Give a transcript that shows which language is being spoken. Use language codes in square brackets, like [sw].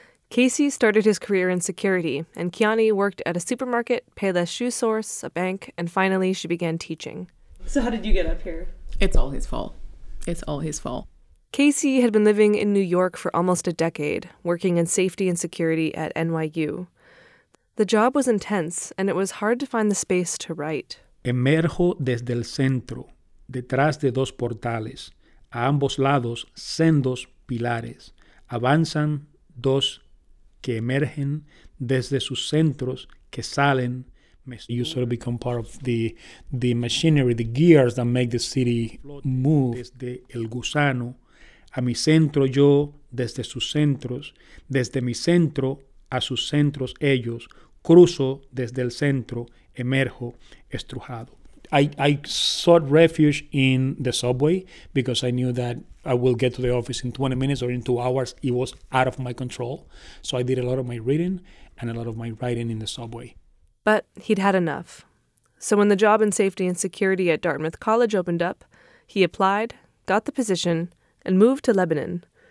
[en] Casey started his career in security, and Kiani worked at a supermarket, Payless Shoe Source, a bank, and finally she began teaching. So how did you get up here? It's all his fault. It's all his fault. Casey had been living in New York for almost a decade, working in safety and security at NYU. The job was intense, and it was hard to find the space to write. [es] Emerjo desde el centro, detrás de dos portales. A ambos lados, sendos pilares. Avanzan dos que emergen desde sus centros que salen. [en] You sort of become part of the machinery, the gears that make the city move. [es] Desde el gusano. A mi centro yo, desde sus centros, desde mi centro a sus centros ellos, cruzo desde el centro, emerjo, estrujado. [en] I sought refuge in the subway because I knew that I will get to the office in 20 minutes or in 2 hours. It was out of my control. So I did a lot of my reading and a lot of my writing in the subway. But he'd had enough. So when the job in safety and security at Dartmouth College opened up, he applied, got the position, and moved to Lebanon.